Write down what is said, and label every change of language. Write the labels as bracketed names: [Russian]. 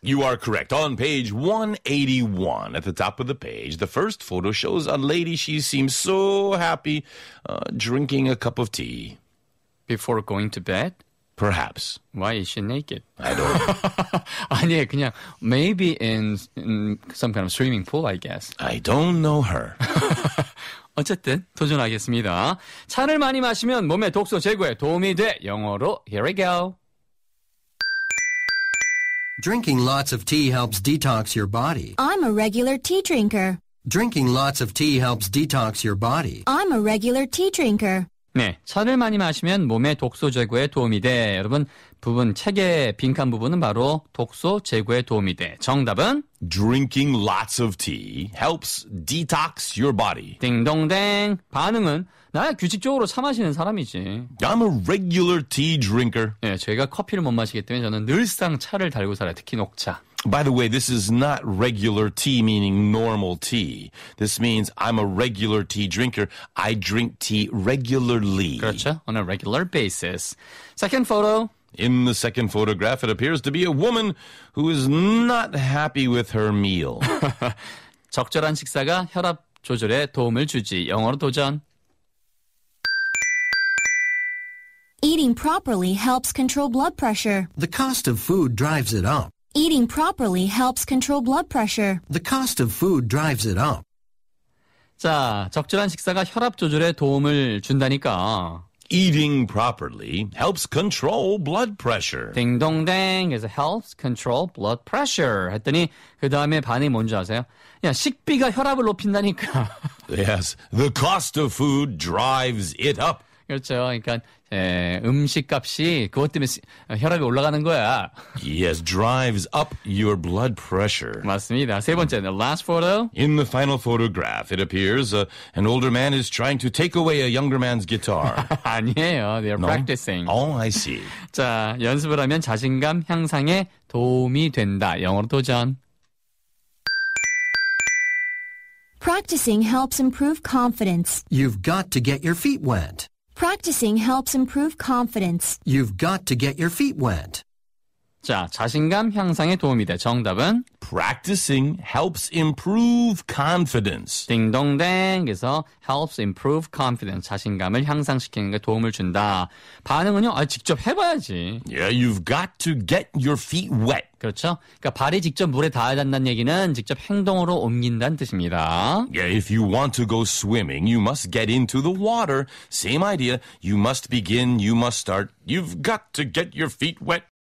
[English] You are correct. On page 181, at the top of the page, the first photo shows a lady. She seems so happy drinking a cup of tea. Before going to bed? Perhaps. Why is she naked? I don't know. [Korean] 아니, 그냥 [English] maybe in some kind of swimming pool, I guess. I don't know her. [Korean] 어쨌든 도전하겠습니다. 차를 많이 마시면 몸의 독소 제거에 도움이 돼. 영어로 [English] here we go. Drinking lots of tea helps detox your body. I'm a regular tea drinker. Drinking lots of tea helps detox your body. I'm a regular tea drinker. [Korean] 네, 차를 많이 마시면 몸의 독소 제거에 도움이 돼. 여러분, 부분 책의 빈칸 부분은 바로 독소 제거에 도움이 돼. 정답은? [English] Drinking lots of tea helps detox your body. [Korean] 딩동댕. 반응은? 나야 규칙적으로 차 마시는 사람이지. [English] I'm a regular tea drinker. [Korean] 네, 제가 커피를 못 마시기 때문에 저는 늘상 차를 달고 살아요. 특히 녹차. [English] By the way, this is not regular tea, meaning normal tea. This means I'm a regular tea drinker. I drink tea regularly. [Korean] 그렇죠. [English] On a regular basis. Second photo. In the second photograph, it appears to be a woman who is not happy with her meal. [Korean] 적절한 식사가 혈압 조절에 도움을 주지. 영어로 도전. [English] Eating properly helps control blood pressure. The cost of food drives it up. Eating properly helps control blood pressure. The cost of food drives it up. [Korean] 자, 적절한 식사가 혈압 조절에 도움을 준다니까. [English] Eating properly helps control blood pressure. [Korean] 딩동댕. 그래서 [English] helps control blood pressure [Korean] 했더니 그 다음에 반응이 뭔지 아세요? 야, 식비가 혈압을 높인다니까. [English] Yes, the cost of food drives it up. [Korean] 그렇죠. 그러니까 예, 음식값이 그것 때문에 혈압이 올라가는 거야. [English] Yes, drives up your blood pressure. [Korean] 맞습니다. 세 번째, [English] the last photo. In the final photograph, it appears an older man is trying to take away a younger man's guitar. [Korean] 아니에요. They're [English] no? practicing. Oh, I see. [Korean] 자, 연습을 하면 자신감 향상에 도움이 된다. 영어로 도전. [English] Practicing helps improve confidence. You've got to get your feet wet. Practicing helps improve confidence. You've got to get your feet wet. [Korean] 자, 자신감 향상에 도움이 돼. 정답은? [English] Practicing helps improve confidence. [Korean] 딩동댕에서 [English] helps improve confidence. [Korean] 자신감을 향상시키는 게 도움을 준다. 반응은요? 아, 직접 해봐야지. [English] Yeah, you've got to get your feet wet. [Korean] 그렇죠? 그러니까 발이 직접 물에 닿아야 한다는 얘기는 직접 행동으로 옮긴다는 뜻입니다. [English] Yeah, if you want to go swimming, you must get into the water. Same idea. You must begin, you must start. You've got to get your feet wet.